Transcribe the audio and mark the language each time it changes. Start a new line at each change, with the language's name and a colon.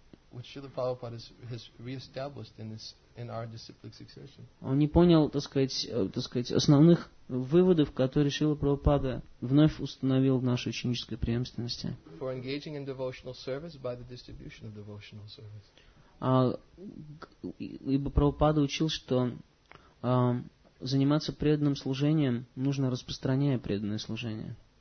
English: which Srila Prabhupada has re-established in this in our disciplic succession.
Russian: Он не понял, так сказать, основных выводов, которые Шрила Прабхупада вновь установил в нашей ученической преемственности.
English: For engaging in devotional service by the distribution of devotional service.
Russian: Ибо Прабхупада учил, что заниматься преданным служением нужно, распространяя преданное служение.